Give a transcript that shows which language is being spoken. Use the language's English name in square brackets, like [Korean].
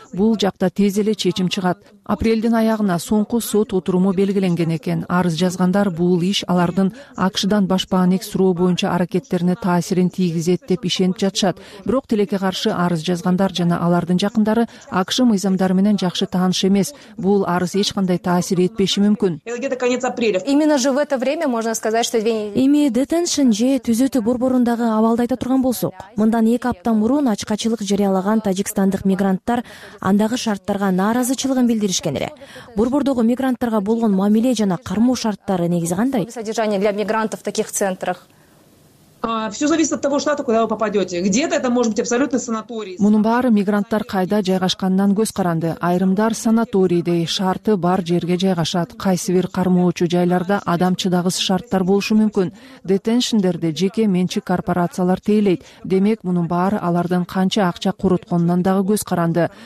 [Kyrgyz] Бул жакта тез эле чечим чыгат. Апрелдин аягына соңку сот отуруму белгиленген экен. Арыз жазгандар бул иш алардын АКШ-дан башпаанек суроо боюнча аракеттерине таасирин тийгизет деп ишенип жатышат. Бирок тилекке каршы арыз жазгандар жана алардын жакындары АКШ мыйзамдары менен жакшы тааныш эмес. Бул арыз эч кандай таасир этпеши мүмкүн. [Russian] Именно же в это время можно сказать, что [Kyrgyz] эми детеншн же түзөтүү борборундагы абалды айта турган болсок, мындан 2 апта мурун ачкачылык жарыялаган тажикстандык мигранттар андагы шарттарга нааразычылыгын билдиришкен эле. Борбордогу мигранттарга болгон мамиле жана кармоо шарттары негизи кандай? [Russian] Содержание для мигрантов в таких центрах. Все зависит от того штата, куда вы попадете. Где-то это может быть абсолютно санаторий. [Kyrgyz] Мунун баары мигранттар кайда жайгашканынан көз каранды. Айрымдар санаторийде шарты бар жерге жайгашат. Кайсы бир кармоочу жайларда адам чыдагыс шарттар болушу мүмкүн. Детеншндерде жеке менчик корпорациялар тейлейт. Демек мунун баары алардын канча акча курутконунан дагы көз каранды.